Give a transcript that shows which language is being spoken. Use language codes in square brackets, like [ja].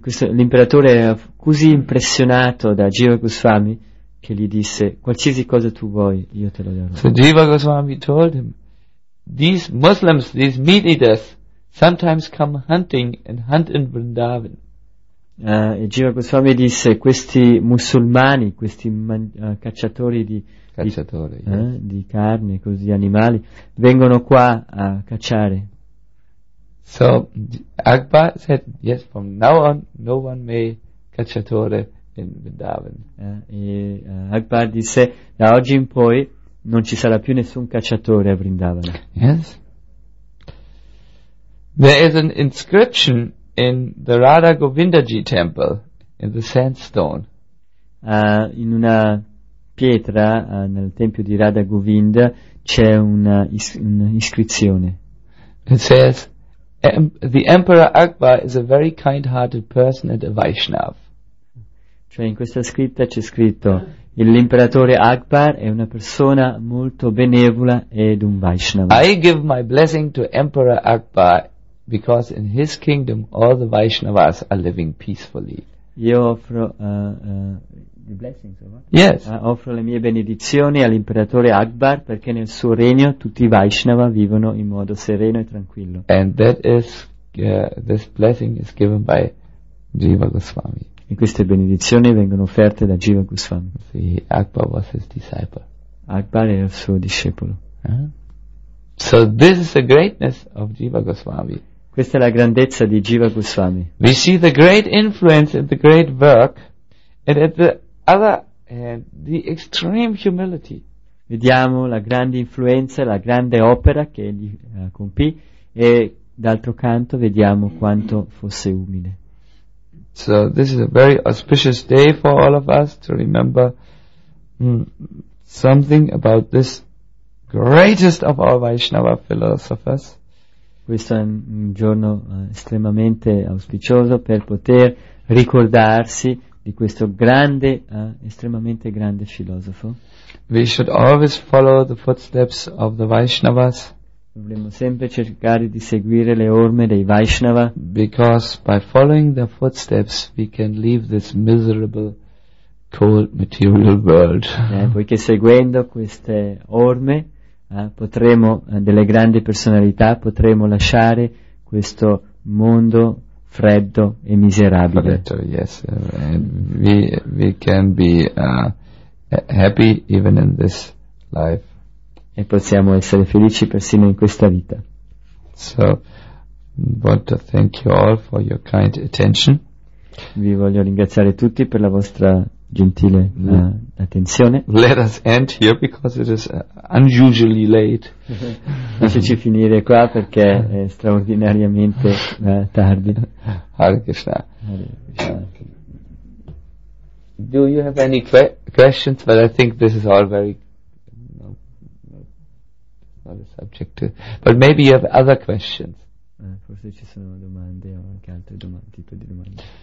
[it] L'imperatore era così impressionato da Jiva Goswami che gli disse: "Qualsiasi cosa tu vuoi, io te lo darò." [en] So Jiva Goswami told him, "These Muslims, these meat eaters, sometimes come hunting and hunt in Vrindavan." [it] E Jiva Goswami disse: "Questi musulmani, questi cacciatori di cacciatori di carne, così animali, vengono qua a cacciare." [en] So Akbar said, "Yes, from now on, no one may cacciatore in Vrindavan." [it] Akbar disse: "Da oggi in poi non ci sarà più nessun cacciatore a Vrindavan." [en] Yes. There is an inscription in the Radha Govindaji temple in the sandstone. [it] In una pietra nel tempio di Radha Govinda c'è un'iscrizione. [en] It says, "The Emperor Akbar is a very kind-hearted person and a Vaishnav." [it] Cioè in questa scritta c'è scritto: "L'imperatore Akbar è una persona molto benevola ed un Vaishnav." [en] "I give my blessing to Emperor Akbar because in his kingdom all the Vaishnavas are living peacefully." [it] Io offro [en] the blessings, yes. [it] Offro le mie benedizioni all'imperatore Akbar perché nel suo regno tutti i Vaishnava vivono in modo sereno e tranquillo. [en] And that is this blessing is given by Jiva Goswami. [it] E queste benedizioni vengono offerte da Jiva Goswami. [en] Sì, Akbar was his disciple. [it] Akbar era il suo discepolo. [en] So this is the greatness of Jiva Goswami. [it] Questa è la grandezza di Jiva Goswami. [en] We see the great influence and the great work, and at the other hand, the extreme humility. [it] Vediamo la grande influenza, la grande opera che egli compì, e d'altro canto vediamo quanto fosse umile. [en] So this is a very auspicious day for all of us to remember something about this greatest of all Vaishnava philosophers. [it] Questo è un giorno estremamente auspicioso per poter ricordarsi di questo grande, estremamente grande filosofo. [en] We should always follow the footsteps of the Vaishnavas. [it] Dovremmo sempre cercare di seguire le orme dei Vaishnava. [en] Because by following their footsteps we can leave this miserable cold material world. [it] Poiché seguendo queste orme potremo, delle grandi personalità, potremo lasciare questo mondo freddo e miserabile. Freddo, yes. [en] And we can be happy even in this life. [it] E possiamo essere felici persino in questa vita. [en] So, want to thank you all for your kind attention. [it] Vi voglio ringraziare tutti per la vostra gentile attenzione. [en] Let us end here because it is unusually late. [it] Lasciaci finire qua perché è straordinariamente tardi. [sa] Hare Krishna. Hare Krishna. [en] Do you have any questions? But I think this is all very not a subject to, but maybe you have other questions. [it] Forse ci sono domande o anche altre domande, tipo di domande.